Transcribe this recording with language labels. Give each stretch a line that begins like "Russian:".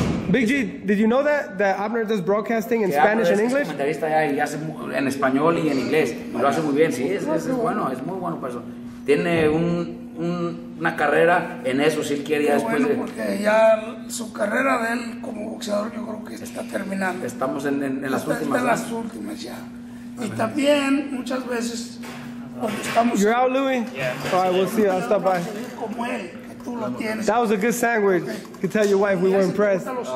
English: Big G, did you know that Abner does broadcasting in Spanish and English?
Spanish: Abner es comentarista y hace en español y en inglés. Y lo hace muy bien. Sí, es muy bueno para eso. Tiene una carrera en eso si él quiere después. Bueno, porque ya su carrera de él como boxeador yo creo que está terminando. Estamos en las últimas. Está en las últimas ya. Y también muchas veces cuando estamos.
English: You're out, Louis. Yeah. All right, we'll see. I'll stop by.
Spanish: Como él, que tú lo tienes.
English: That was a good sandwich. Okay. Could tell your wife we were impressed.